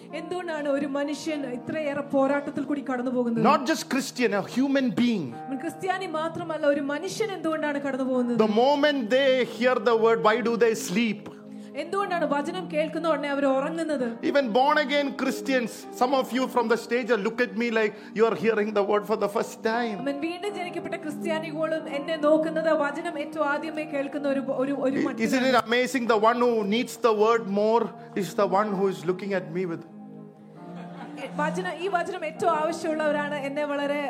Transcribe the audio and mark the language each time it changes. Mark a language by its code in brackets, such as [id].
[ml] എന്തുകൊണ്ടാണ് ഒരു മനുഷ്യൻ ഇത്രയേറെ പോരാട്ടത്തിൽ കൂടി കടന്നു പോകുന്നത്? [en] Not just Christian, a human being. [ml] ക്രിസ്ത്യാനി മാത്രമല്ല ഒരു മനുഷ്യൻ എന്തുകൊണ്ടാണ് കടന്നു പോകുന്നത്? [en] The moment they hear the word, why do they sleep? [ml] എന്തുകൊണ്ടാണ് വചനം കേൾക്കുന്ന ഉടനെ അവർ ഉറങ്ങുന്നത്? [en] Even born again Christians, some of you from the stage look at me like you are hearing the word for the first time. [ml] അമ്മ വീണ്ടും ജനിക്കപ്പെട്ട ക്രിസ്ത്യാനികളും എന്നെ നോക്കുന്നത് വചനം ഏറ്റവും ആദ്യമായി കേൾക്കുന്ന ഒരു ഒരു മനുഷ്യൻ. [en] Isn't it amazing, the one who needs the word more is the one who is looking at me with [ml] വചനം. ഈ വചനം ഏറ്റവും ആവശ്യമുള്ളവരാണ് എന്നെ വളരെ